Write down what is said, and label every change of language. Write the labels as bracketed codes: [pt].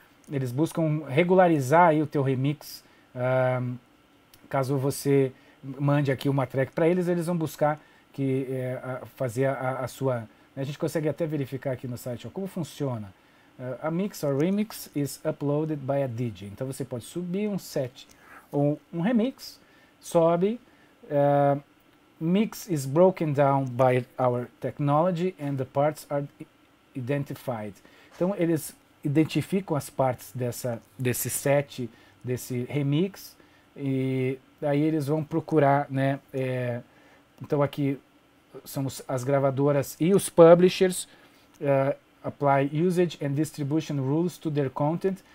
[pt] Eles buscam regularizar aí o teu remix. Caso você mande aqui uma track para eles vão buscar fazer a sua. A gente consegue até verificar aqui no site, ó, como funciona. [en] A mix or remix is uploaded by a DJ. [pt] Então você pode subir um set ou um remix, sobe. [en] Mix is broken down by our technology and the parts are identified. [pt] Então eles identificam as partes desse set, desse remix, e aí eles vão procurar, né? Então aqui são as gravadoras e os publishers, [en] apply usage and distribution rules to their content.